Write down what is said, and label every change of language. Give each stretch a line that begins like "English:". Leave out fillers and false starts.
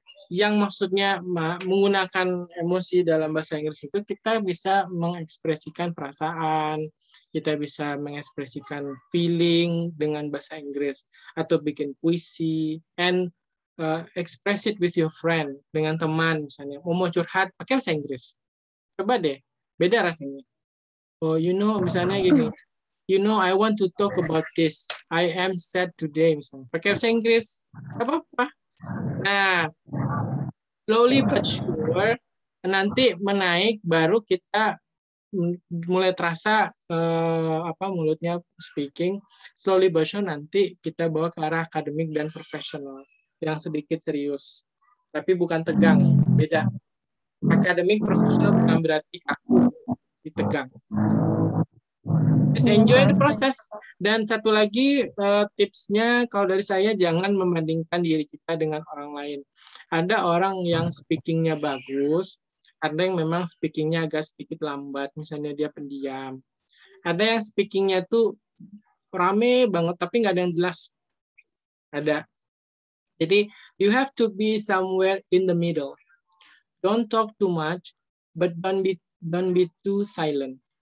Indonesian: Yang maksudnya menggunakan emosi dalam bahasa Inggris itu kita bisa mengekspresikan perasaan, kita bisa mengekspresikan feeling dengan bahasa Inggris, atau bikin puisi,
English: and express it with your friend,
Indonesian: dengan teman misalnya. Mau curhat, pakai bahasa Inggris. Coba deh, beda rasanya.
English: Oh, you know,
Indonesian: misalnya gini,
English: "You know, I want to talk about this. I am sad today,"
Indonesian: misalnya. Pakai bahasa Inggris, gak apa-apa. Nah,
English: slowly but sure,
Indonesian: nanti menaik baru kita mulai terasa mulutnya speaking.
English: Slowly but sure
Indonesian: nanti kita bawa ke arah akademik dan profesional yang sedikit serius, tapi bukan tegang, beda. Akademik profesional bukan berarti aku ditegang.
English: Just enjoy the process.
Indonesian: Dan satu lagi tipsnya, kalau dari saya, jangan membandingkan diri kita dengan orang lain. Ada orang yang speakingnya bagus, ada yang memang speakingnya agak sedikit lambat, misalnya dia pendiam. Ada yang speakingnya tuh rame banget, tapi nggak ada yang jelas. Ada. Jadi,
English: you have to be somewhere in the middle. Don't talk too much, but don't be too silent.